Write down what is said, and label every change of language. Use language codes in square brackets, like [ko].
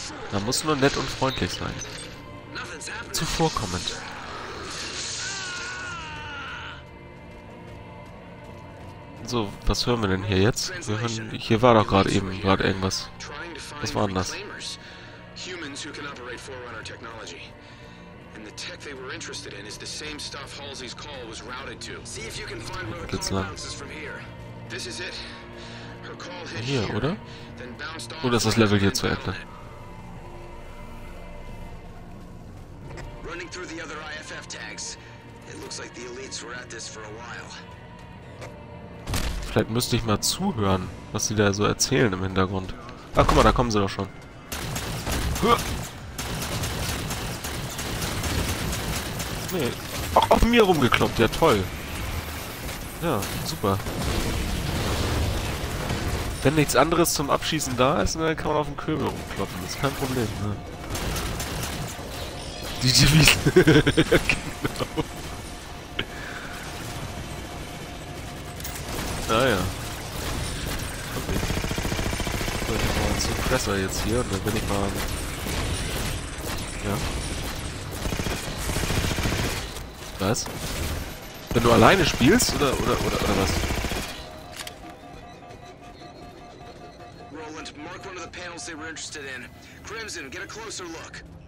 [de] Da musst du nur nett und freundlich sein. Zuvorkommend. So, was hören wir denn hier jetzt? Wir hören, hier war doch gerade eben gerade irgendwas. Was war denn das? [en] Humans who can operate Forerunner technology. And the tech they were interested in is the same stuff Halsey's call was routed to. See if you can find where the call bounces from here. This is it. Her call hit here, [de] oder? Oder ist das Level hier zu Ende? [en] Running through the other IFF tags. It looks like the elites were at this for a while. [de] Vielleicht müsste ich mal zuhören, was sie da so erzählen im Hintergrund. Ach, guck mal, da kommen sie doch schon. Nee, auch auf mir rumgekloppt, ja toll. Ja, super. Wenn nichts anderes zum Abschießen da ist, dann kann man auf den Köbel rumkloppen. Das ist kein Problem, ne? Die Devise. Ja, genau. Ah ja. Okay. Ich bin mal zum Presser jetzt hier und dann bin ich mal. Ja. Was? Wenn du alleine spielst oder was? [en] Roland, mark one of the panels they were interested in. Crimson, get a closer look.